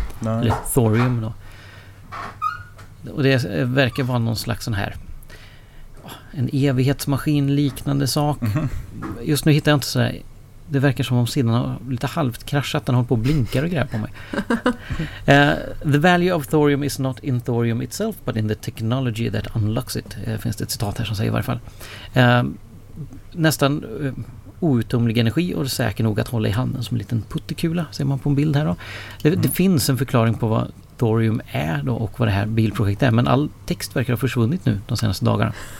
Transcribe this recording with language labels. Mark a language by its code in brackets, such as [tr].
[sv] Nej. Eller Thorium då. Och det verkar vara någon slags sån här en evighetsmaskin liknande sak. Mm. Just nu hittar jag inte så här. Det verkar som om sidan har lite halvt kraschat, den håller på att blinka och grejer på mig. [en] The value of thorium is not in thorium itself, but in the technology that unlocks it. [sv] Finns det ett citat här som säger i varje fall. Nästan outtömlig energi och säker nog att hålla i handen som en liten puttekula, ser man på en bild här då. Det finns en förklaring på vad thorium är då och vad det här bilprojektet är, men all text verkar ha försvunnit nu de senaste dagarna.